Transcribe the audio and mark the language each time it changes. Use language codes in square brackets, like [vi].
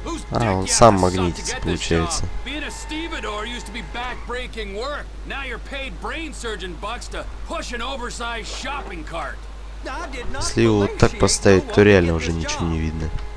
[ru] А, он сам магнитится, получается. [en] Being a stevedore used to be back-breaking work. Now you're paid brain surgeon bucks to push an oversized shopping cart. [ru] Если его вот так поставить, то реально уже ничего не видно.